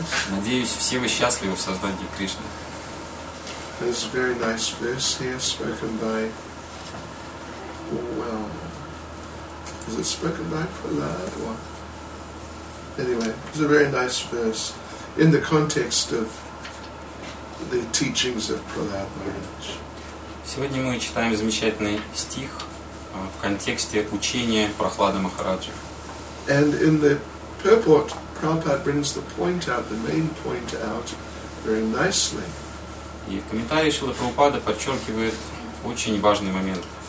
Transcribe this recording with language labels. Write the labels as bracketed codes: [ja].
[ru] Надеюсь, все вы счастливы в сознании Кришны. [en] There's a very nice verse here spoken by, well, is it spoken by Prahlad or, anyway, it's a very nice verse in the context of the teachings of Prahlad Maharaj. [ru] Сегодня мы читаем замечательный стих в контексте учения Прахлады Махараджа. [en] And in the purport, Prabhupada brings the point out, the main point out very nicely. [ru] И в комментарии Шрилы Прабхупады подчеркивает очень важный момент.